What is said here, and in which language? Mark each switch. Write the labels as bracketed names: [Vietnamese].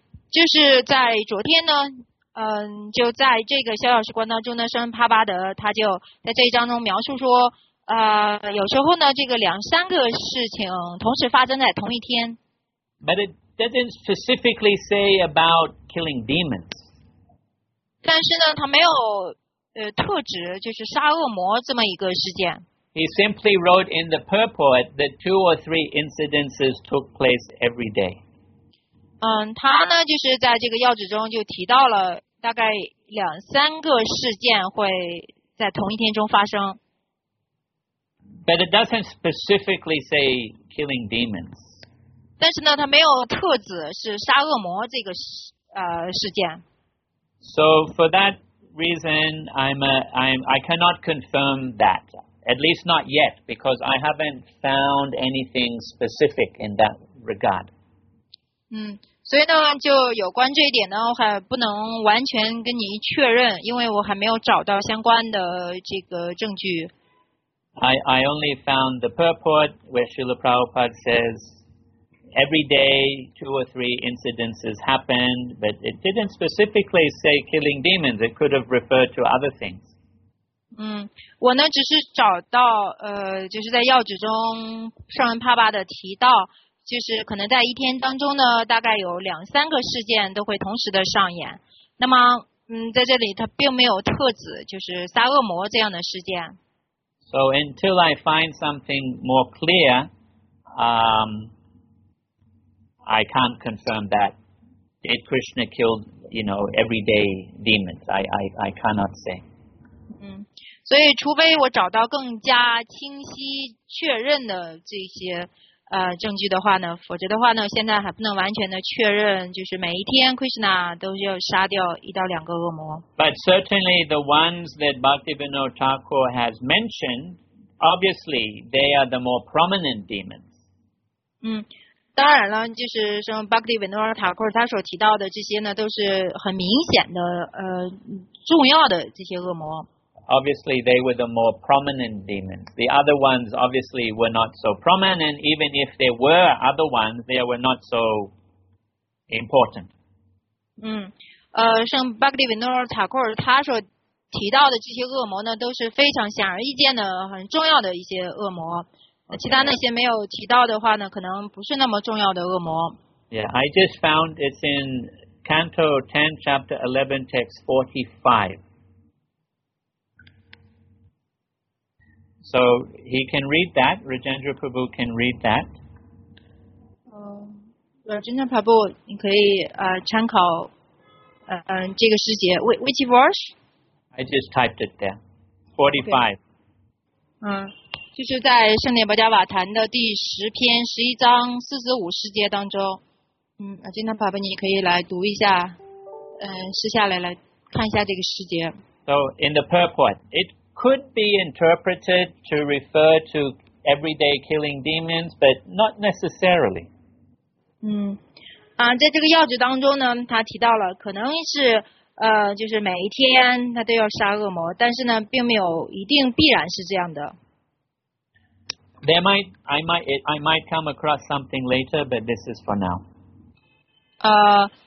[Chinese] 就是在昨天呢，就在这个逍遥时光当中呢，圣帕巴德他就在这一章中描述说，有时候呢，这个两三个事情同时发生在同一天。 [English] But it doesn't specifically say about killing demons. [Chinese] 但是呢，他没有。特指就是杀恶魔这么一个事件。 [English] He simply wrote in the purport that two or three incidences took place every day. [Chinese] 他呢就是在这个要旨中就提到了大概两三个事件会在同一天中发生。 [English] But it doesn't specifically say killing demons. [Chinese] 但是呢，他没有特指是杀恶魔这个事件。 [English] So for that. Reason I cannot confirm that, at least not yet, because I haven't found anything specific in that regard. [Chinese] 所以呢，就有关这一点呢，我还不能完全跟您确认，因为我还没有找到相关的这个证据。 [English] I only found the purport where Srila Prabhupada says every day two or three incidences happened, but it didn't specifically say killing demons. It could have referred to other things. [Chinese] 我呢只是找到就是在要旨中上文帕巴的提到，就是可能在一天当中呢，大概有两三个事件都会同时的上演。那么，在这里它并没有特指就是杀恶魔这样的事件。 [English] So until I find something more clear, I can't confirm that if Krishna killed, you know, everyday demons. I cannot say. [Chinese] 所以除非我找到更加清晰确认的这些证据的话呢，否则的话呢，现在还不能完全的确认，就是每一天 Krishna 都要杀掉一到两个恶魔。 [English] But certainly the ones that Bhaktivinoda Thakur has mentioned, obviously they are the more prominent demons. [Chinese] 当然了，就是像 Bhaktivinoda Thakur 他所提到的这些呢，都是很明显的重要的这些恶魔。 [English] Obviously, they were the more prominent demons. The other ones, obviously, were not so prominent. Even if there were other ones, they were not so important. [Chinese] 像 Bhaktivinoda Thakur 他所提到的这些恶魔呢，都是非常显而易见的、很重要的一些恶魔。 [English] Okay. [Chinese] 其他那些没有提到的话呢，可能不是那么重要的恶魔。 [English] Yeah, I just found it's in Canto 10, Chapter 11, Text 45. So he can read that. Rajendra Prabhu can read that. Rajendra Prabhu, you can [Chinese] 参考这个诗节 [English] Which verse? I just typed it there. 45. [Chinese] 就是在圣涅巴加瓦坛的第十篇十一章四十五诗节当中。 Rajendra Prabhu, 你可以来读一下，试下来看一下这个诗节。 [English] So in the purport, it could be interpreted to refer to everyday killing demons, but not necessarily. [Chinese] 在这个要旨当中呢，他提到了可能是就是每一天他都要杀恶魔，但是呢，并没有一定必然是这样的。 [English] I might come across something later, but this is for now.